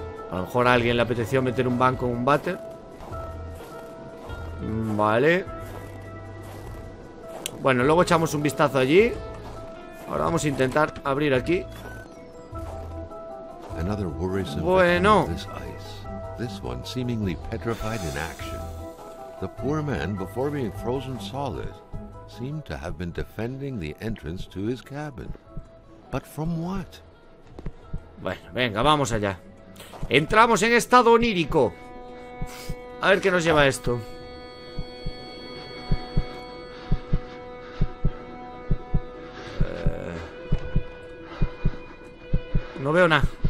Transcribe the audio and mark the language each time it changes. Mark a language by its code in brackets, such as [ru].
[es] A lo mejor a alguien le apeteció meter un banco en un váter. Vale. Bueno, luego echamos un vistazo allí. Ahora vamos a intentar abrir aquí. Bueno. [en] This one seemingly petrified in action. The poor man, before being frozen solid, seemed to have been defending the entrance to his cabin. But from what? [es] Bueno, venga, vamos allá. Entramos en estado onírico. A ver qué nos lleva esto. No veo nada.